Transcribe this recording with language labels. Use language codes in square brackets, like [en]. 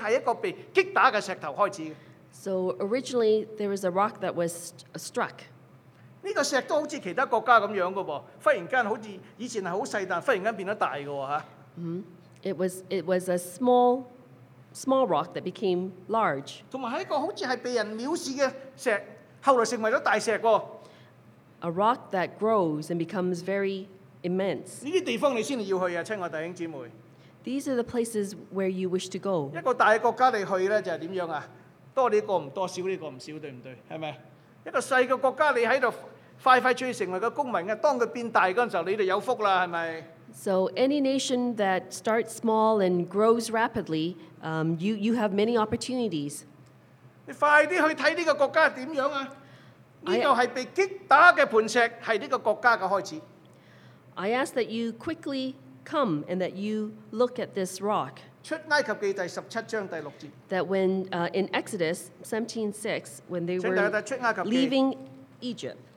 [zh] 首先是出現很奇怪,是一個被擊打了的磐石。這個石頭,粉碎萬邦萬族的石頭,初初在聖經裡面開始是一個被擊打的石頭開始。 [en] So originally, there was a rock that was struck. [zh] 這個石頭好像其他國家那樣的,忽然間好像以前是很小,但忽然間變得大的。 [en] It was a small rock that became large. [zh] 還有是一個好像是被人藐視的石,後來成為了大石。 [en] A rock that grows and becomes very immense. [zh] 這些地方你才要去,親愛的弟兄姊妹。 [en] These are the places where you wish to go. [zh] 一個大國家你去就是怎樣?多這個不多,少這個不少,對不對?是嗎? 一個小的國家你在這裡, 快快脆成為一個公民,當它變大的時候,你們就有福了,是不是? [en] So any nation that starts small and grows rapidly, you have many opportunities. [zh] 你快點去看這個國家是怎樣啊?這裡是被擊打的磐石,是這個國家的開始。 [en] I ask that you quickly come and that you look at this rock. [zh] 出埃及記第17章第6節。 [en] That when in Exodus 17:6, when they were leaving Egypt,